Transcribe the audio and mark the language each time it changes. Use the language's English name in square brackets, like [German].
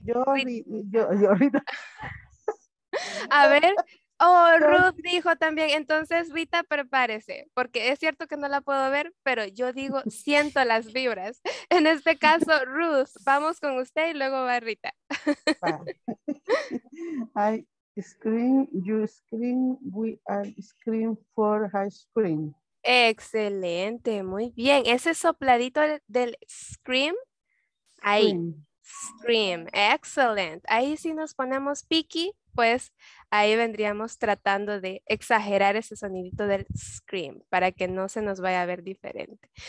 [Spanish] Yo Rita. A ver. Oh, Ruth dijo también, entonces Rita prepárese, porque es cierto que no la puedo ver, pero yo digo, siento las vibras. En este caso, Ruth, vamos con usted y luego va Rita. [English] I scream, you scream, we are scream for ice cream. [Spanish] Excelente, muy bien. Ese sopladito del scream, ahí, [English] Scream, excellent. [Spanish] Ahí si nos ponemos picky, pues ahí vendríamos tratando de exagerar ese sonidito del scream para que no se nos vaya a ver diferente.